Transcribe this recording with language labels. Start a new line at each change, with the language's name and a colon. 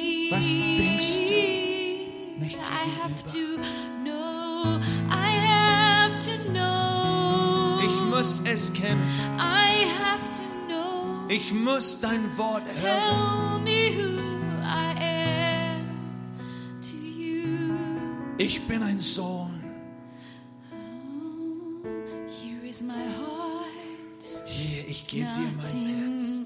German: Was denkst du mich gegenüber?
English: I have to know, I have to know.
German: Ich muss es kennen.
English: I have to know.
German: Ich muss dein Wort hören.
English: Tell me who I am to you.
German: Ich bin ein Sohn.
English: Oh, here is my heart.
German: Hier, ich gebe dir mein Herz.